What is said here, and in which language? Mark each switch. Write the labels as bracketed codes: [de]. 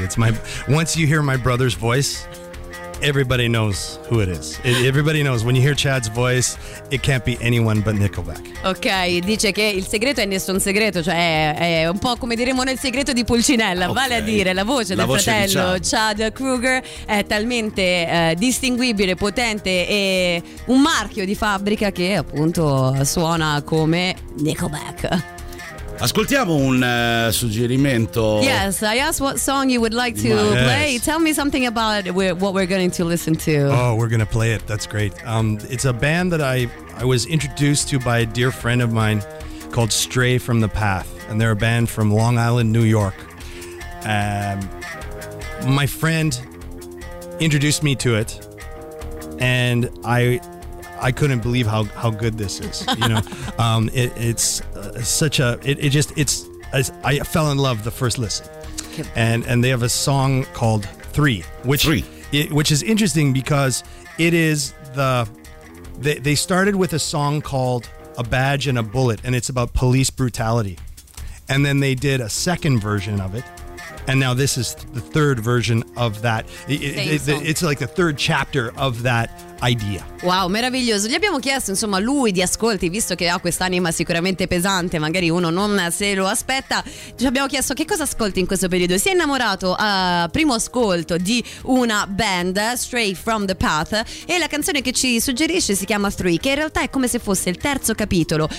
[en] It's my, once you hear my brother's voice, everybody knows who it is. Everybody knows when you hear Chad's voice, it can't be anyone but Nickelback. [it] Ok, dice che il segreto è nessun segreto, cioè è un po' come diremo nel segreto di Pulcinella, okay. Vale a dire la voce del fratello Chad Kruger è talmente distinguibile, potente e un marchio di fabbrica che appunto suona come Nickelback. Ascoltiamo un suggerimento. [en] Yes, I asked what song you would like to play. Tell me something about what we're going to listen to. Oh, we're going to play it. That's great. It's a band that I was introduced to by a dear friend of mine called Stray from the Path. And they're a band from Long Island, New York. My friend introduced me to it. And I couldn't believe how good this is, you know. I fell in love the first listen. And they have a song called Three. Which is interesting because it is they started with a song called A Badge and a Bullet, and it's about police brutality. And then they did a second version of it. And now this is the third version of that. It's like the third chapter of that idea. [it] Wow, meraviglioso. Gli abbiamo chiesto, insomma, lui di ascolti, visto che ha quest'anima sicuramente pesante, magari uno non se lo aspetta. Ci abbiamo chiesto che cosa ascolti in questo periodo. Si è innamorato a primo ascolto di una band, Stray from the Path, e la canzone che ci suggerisce si chiama Three, che in realtà è come se fosse il terzo capitolo.